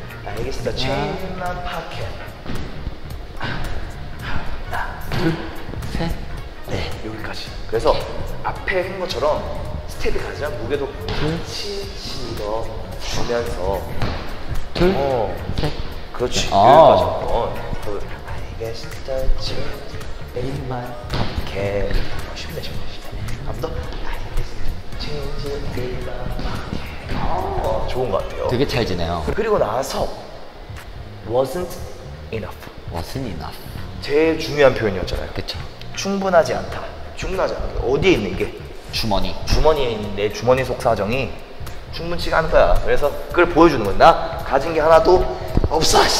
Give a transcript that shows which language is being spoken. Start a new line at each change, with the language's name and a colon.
Korean: 알겠습니다. 체인만 파켓. 하나, 둘, 셋, 넷. 여기까지. 그래서 앞에 한 것처럼 스텝이 가지만 무게도 치치고 주면서. 둘, 어, 셋. 그렇지. 여기까지 한 번.
English: I guess the change in my pocket.
Korean: 쉽네, 쉽네, 쉽네. 한 번 더.
English: I guess the change in my pocket.
Korean: 어, 좋은 것 같아요. 되게 잘 지내요. 그리고 나서
English: wasn't enough. wasn't enough.
Korean: 제일 중요한 표현이었잖아요. 그쵸. 충분하지 않다. 충분하지 않다. 어디에 있는 게? 주머니. 주머니에 있는 내 주머니 속 사정이 충분치가 않은 거야. 그래서 그걸 보여주는 거야. 나 가진 게 하나도 없어.